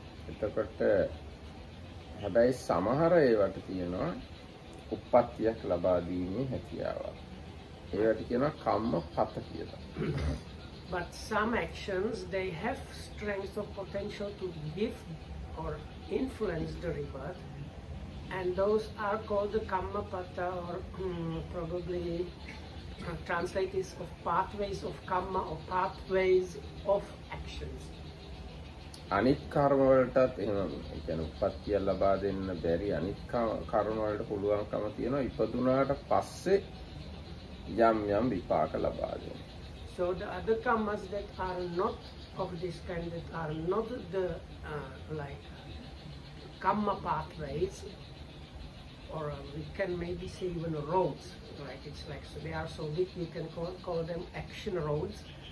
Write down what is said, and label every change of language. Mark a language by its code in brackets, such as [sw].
[si] එතකොට හැබැයි සමහර ඒවට තියෙනවා උප්පත්තියක් ලබා දීමේ හැකියාවක්. ඒකට කියනවා කම්ම පත කියලා. [en] But some actions, they have strength or potential to give or influence the rebirth, And those are called the Kammapatta, or probably translated is of pathways of karma, or pathways of actions. [si] අනිත් කර්ම වලටත් එහෙම يعني උපත්තිය ලබා දෙන්න බැරි අනිත් කර්ම වලට පුළුවන්කම තියෙනවා ඉපදුනාට පස්සේ යම් යම් විපාක ලබා දෙන්න. [en] So the other karmas that are not of this kind that are not the like karma pathways or we can maybe say even roads, right? It's like so they are so big you can call them action roads.